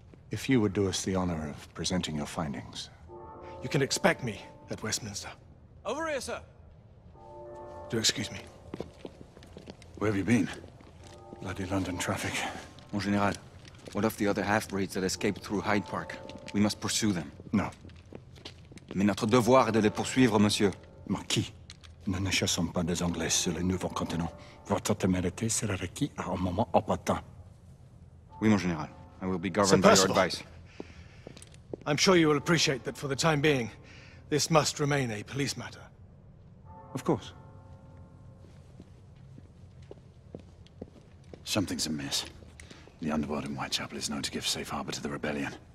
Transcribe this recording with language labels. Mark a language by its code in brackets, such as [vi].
[en] If you would do us the honor of presenting your findings. You can expect me at Westminster. Over here, sir. Do excuse me. Where have you been? Bloody London traffic. [fr] Mon général, [en] what of the other half-breeds that escaped through Hyde Park? We must pursue them. No. [fr] Mais notre devoir est de les poursuivre, monsieur. Marquis, nous ne chassons pas des Anglais sur le nouveau continent. Votre témérité sera requis à un moment opportun. Oui, mon général. [en] I will be governed by your advice. I'm sure you will appreciate that for the time being, this must remain a police matter. Of course. Something's amiss. The underworld in Whitechapel is known to give safe harbor to the rebellion.